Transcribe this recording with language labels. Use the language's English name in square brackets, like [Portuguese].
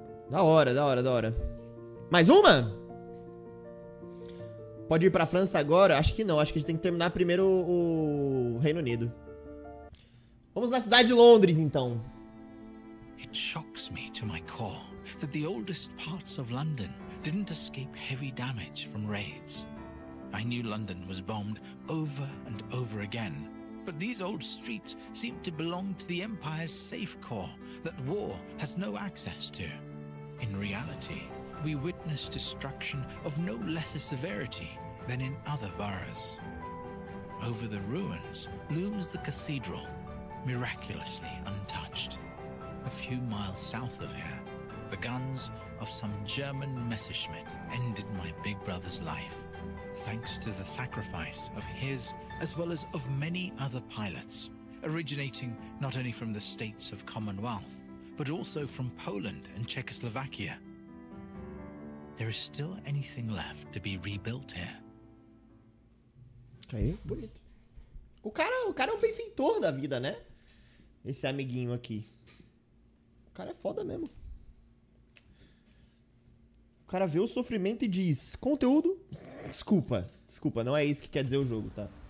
[Portuguese] Da hora, da hora, da hora. Mais uma? Pode ir pra França agora? Acho que não. Acho que a gente tem que terminar primeiro o Reino Unido. Vamos na cidade de Londres, então. [English] It shocks me to my core that the oldest parts of London didn't escape heavy damage from raids. I knew London was bombed over and over again, but these old streets seem to belong to the Empire's safe core that war has no access to. In reality, we witness destruction of no lesser severity than in other boroughs. Over the ruins looms the cathedral. Miraculously untouched. A few miles south of here, the guns of some German Messerschmitt ended my big brother's life, thanks to the sacrifice of his as well as of many other pilots, originating not only from the States of Commonwealth, but also from Poland and Czechoslovakia. There is still anything left to be rebuilt here. [Portuguese] Aí, bonito. O cara é um benfeitor da vida, né? Esse amiguinho aqui. O cara é foda mesmo. O cara vê o sofrimento e diz... Conteúdo... Desculpa. Desculpa, não é isso que quer dizer o jogo, tá?